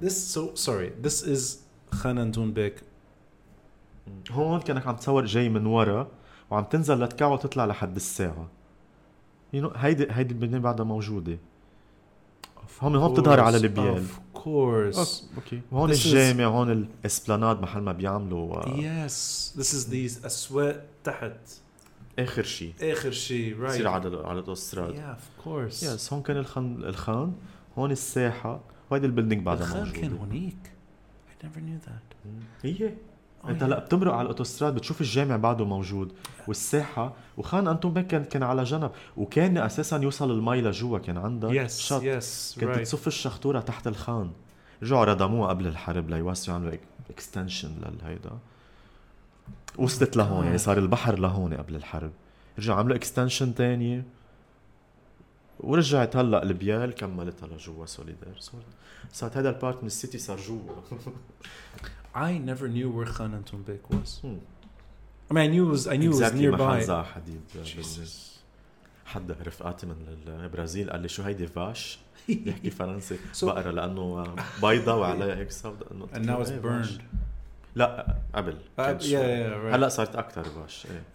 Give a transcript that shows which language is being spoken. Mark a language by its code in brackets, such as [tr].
[en] this so sorry this is Khan Antun Bek [ar] هون كأنك عم تصور جاي من ورا وعم تنزل لتكع وتطلع لحد الساعة [en] you know [ar] هيدي البنية بعدها موجودة هون بتظهر على البيان [en] of course okay. [ar] هون [en] this [ar] الجامع [en] is... [ar] هون الاسبلاناد محل ما بيعملوا [en] yes this is the [ar] أسوات تحت آخر شي [en] right [ar] سير على الأستراد [en] yeah of course yes [ar] هون كان الخان هون الساحة وهيدي البلدنج بعدها موجودة الخان كان هونيك [en] I never knew that [ar] إيه [en] Oh, [ar] انت هلا [en] yeah. [ar] بتمرق على الاوتوستراد بتشوف الجامع بعده موجود والساحه وخان انتون بيك كان على جنب وكان اساسا يوصل المي لجوا كان عنده [en] yes, [ar] شط [en] yes, [ar] كنت [en] right. [ar] تصف الشخطوره تحت الخان رجعوا ردموها قبل الحرب ليوسعوا يعملوا اكستنشن لهيدا وصلت لهون يعني صار البحر لهون قبل الحرب رجعوا عملوا اكستنشن ثانيه ورجعت هلا البيال كملتها لجوا سوليدير صارت هذا البارت من السيتي صار جوا [en] I never knew where Khan Antun Bek was. Hmm. I mean, I knew exactly it was nearby. Exactly. Mahanza Hadid. Jesus. [ar] حد رفقاتي من البرازيل قال لي شو هيدي فاش يحكي فرنسي بقرة لأنه بيضة وعليها هيك صفدة. [en] And now it's burned. [ar] لا قبل. [en] Yeah, right. [ar] هلا صارت أكتر فاش.